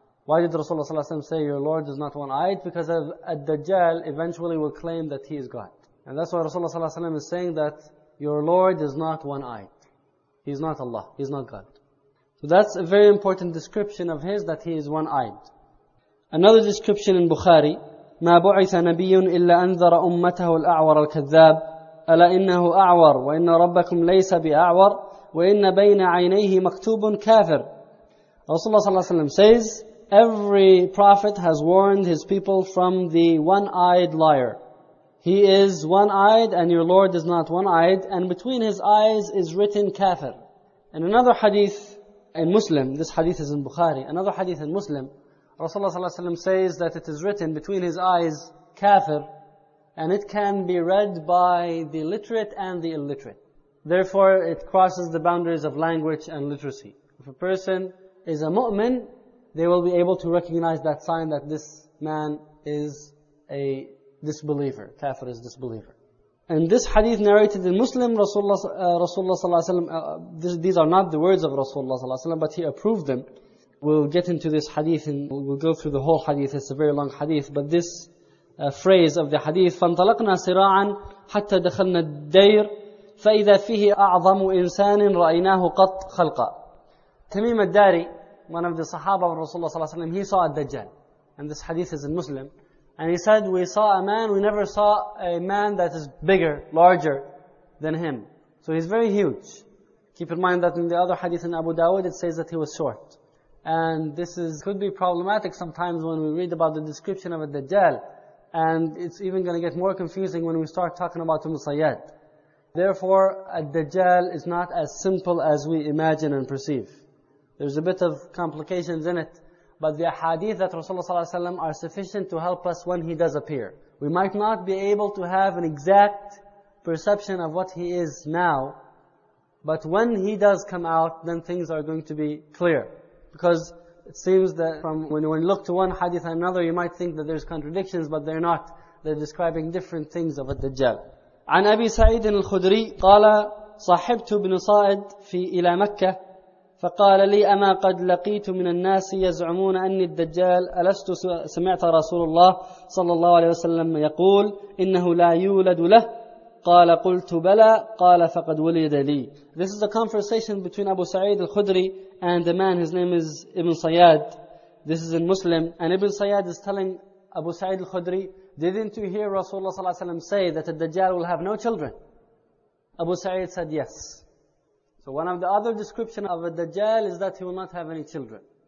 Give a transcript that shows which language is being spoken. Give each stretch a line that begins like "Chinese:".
English: Why did Rasulullah Sallallahu Alaihi Wasallam say your Lord is not one-eyed? Because al-Dajjal eventually will claim that he is God. And that's why Rasulullah Sallallahu Alaihi Wasallam is saying that your Lord is not one-eyed. He's not Allah, he's not God. So that's a very important description of his, that he is one-eyed. Another description in Bukhari,
Arabic: مَا بُعِثَ نَبِيٌ إِلَّا أَنذَرَ أُمَّتَهُ الْأَعْوَرَ الْكَذَّابِ أَلَا إِنَّهُ أَعْوَرْ وَإِنَّ رَبَّكُمْ لَيْسَ بِأَعْوَرْ وَإِنَّ بَيْنَ عَيْنَيْهِ مَكْتُوبٌ كَافِرٌ.
English: Rasulullah Sallallahu Alaihi Wasallam says, every prophet has warned his people from the one-eyed liar. He is one-eyed and your Lord is not one-eyed, and between his eyes is written kafir. In another hadith in Muslim, this hadith is in Bukhari, another hadith in Muslim, Rasulullah Sallallahu Alaihi Wasallam says that it is written between his eyes kafir, and it can be read by the literate and the illiterate. Therefore, it crosses the boundaries of language and literacy. If a person is a mu'min, they will be able to recognize that sign that this man is a disbeliever. Kafir is disbeliever. And this hadith narrated in Muslim, Rasulullah Sallallahu Alaihi Wasallam, these are not the words of Rasulullah Sallallahu Alaihi Wasallam, but he approved them. We'll get into this hadith and we'll go through the whole hadith. It's a very long hadith, but this phrase of the hadith,
Arabic: فَانْطَلَقْنَا صِرَاعًا حَتَّى دَخَلْنَا الدَّيْرِ فَإِذَا فِيهِ أَعْظَمُ إِنسَانٍ رَأَيْنَاهُ قَطْ خَلْقًا.
English: Tamim al-Dari, one of the Sahaba of Rasulullah Sallallahu Alaihi Wasallam, he saw a Dajjal. And this hadith is in Muslim. And he said, we saw a man, we never saw a man that is bigger, larger than him. So he's very huge. Keep in mind that in the other hadith in Abu Dawud, it says that he was short. And this is could be problematic sometimes when we read about the description of a Dajjal. And it's even going to get more confusing when we start talking about the Musayyad. Therefore, al-Dajjal is not as simple as we imagine and perceive. There's a bit of complications in it. But the hadith that Rasulullah Sallallahu Alaihi Wasallam are sufficient to help us when he does appear. We might not be able to have an exact perception of what he is now. But when he does come out, then things are going to be clear. Because it seems that from when you look to one hadith and another, you might think that there's contradictions, but they're not. They're describing different things of al-Dajjal.
Arabic: عن أبي سعيد الخدري قال صاحبت ابن صائد في إلى مكة فقال لي أما قد لقيت من الناس يزعمون أني الدجال ألست سمعت رسول الله صلى الله عليه وسلم يقول إنه لا يولد له قال قلت بلى قال فقد ولد لي.
English: This is a conversation between Abu Sa'id al-Khudri and a man, his name is Ibn Sayyad. This is in Muslim. And Ibn Sayyad is telling Abu Sa'id al-Khudri, didn't you hear Rasulullah sallallahu alayhi wa sallam say that al-Dajjal will have no children? Abu Sa'id said yes. So one of the other description of al-Dajjal is that he will not have any children.